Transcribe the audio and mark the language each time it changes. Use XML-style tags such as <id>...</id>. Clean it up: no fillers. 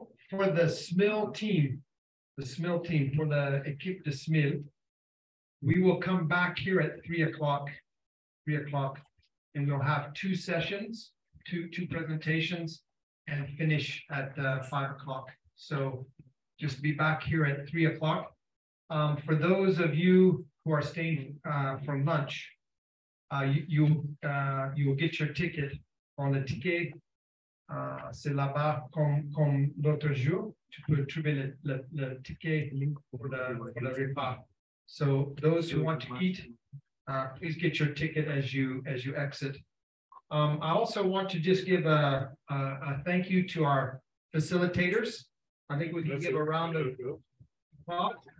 <en>For the SMIL team, for the</en> <fr>équipe de</fr> <en>SMIL, we will come back here at 3 o'clock, and we'll have two sessions, two presentations, and finish at 5 o'clock. So just be back here at 3 o'clock. For those of you who are staying for lunch, you will get your ticket on the ticket.</en> <fr>C'est là-bas comme l'autre jour, tu peux trouver le ticket pour le repas.</fr> <en>So those who want to eat, please get your ticket as you exit. I also want to just give a thank you to our facilitators. I think we can give a round of applause.</en>